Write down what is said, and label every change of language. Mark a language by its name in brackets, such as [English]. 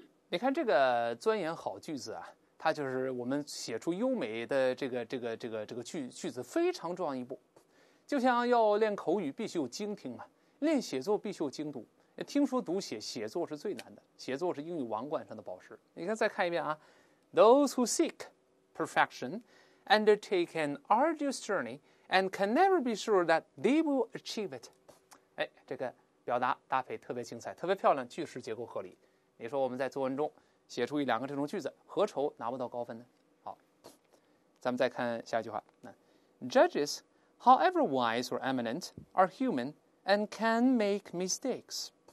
[Chinese] 你看这个钻研好句子啊，它就是我们写出优美的这个 句子非常重要一步。就像要练口语必须有精听嘛，练写作必须有精读，听说读写，写作是最难的，写作是英语王冠上的宝石。你看再看一遍啊， [English] Those who seek perfection undertake an arduous journey and can never be sure that they will achieve it。 [Chinese] 哎，这个表达搭配特别精彩，特别漂亮，句式结构合理。你说我们在作文中写出一两个这种句子，何愁拿不到高分呢？好，咱们再看下一句话。 [English] Judges, however wise or eminent, are human and can make mistakes。